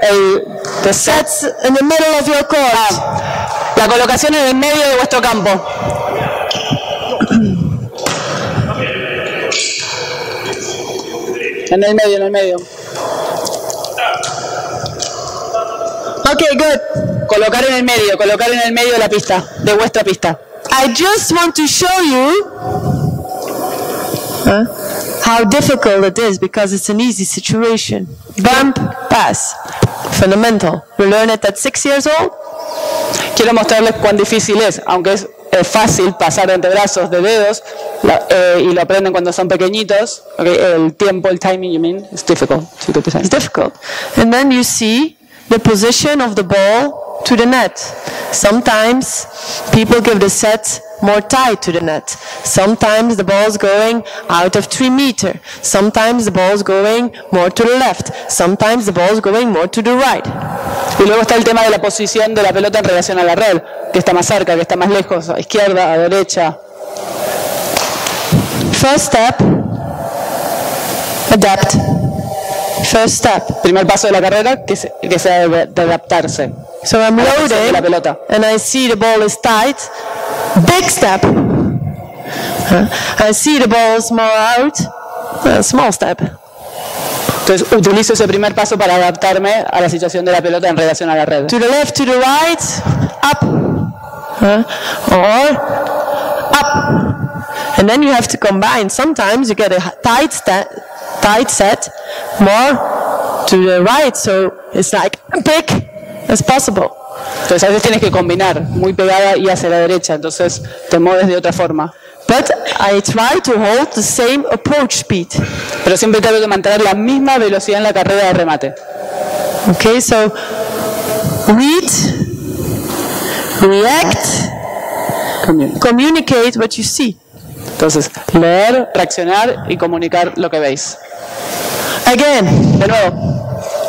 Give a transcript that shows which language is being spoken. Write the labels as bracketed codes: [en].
[en] the sets in the middle of your court. [es] La colocación en el medio de vuestro campo. En el medio, en el medio. [en] Okay, good. [es] Colocar en el medio de la pista, de vuestra pista. [en] I just want to show you how difficult it is because it's an easy situation. Bump, pass. Fundamental. We learn it at 6 years old. [es] Quiero mostrarles cuán difícil es, aunque es fácil pasar entre brazos de dedos y lo aprenden cuando son pequeñitos. [en] Okay, [es] el tiempo, el timing, [en] you mean? It's difficult. It's difficult. And then you see the position of the ball to the net. Sometimes people give the set more tight to the net. Sometimes the ball is going out of 3 meter. Sometimes the ball is going more to the left. Sometimes the ball is going more to the right. [es] Y luego está el tema de la posición de la pelota en relación a la red, que está más cerca, que está más lejos, a izquierda, a derecha. [en] First step, adapt. First step. [es] Primer paso de la carrera, que sea de adaptarse. [en] So I'm loading [es] la pelota. [en] And I see the ball is tight. Big step. I see the ball is more out. Small step. [es] Entonces utilizo ese primer paso para adaptarme a la situación de la pelota en relación a la red. [en] To the left, to the right, up. Or up. And then you have to combine. Sometimes you get a tight set more to the right, so it's like big as possible. [es] Entonces a veces tienes que combinar muy pegada y hacia la derecha, entonces te mueves de otra forma. [en] But I try to hold the same approach speed. [es] Pero siempre trato de mantener la misma velocidad en la carrera de remate. [en] Okay, so read, react, communicate what you see. [es] Entonces, leer, reaccionar y comunicar lo que veis. [en] Again, [es] de nuevo.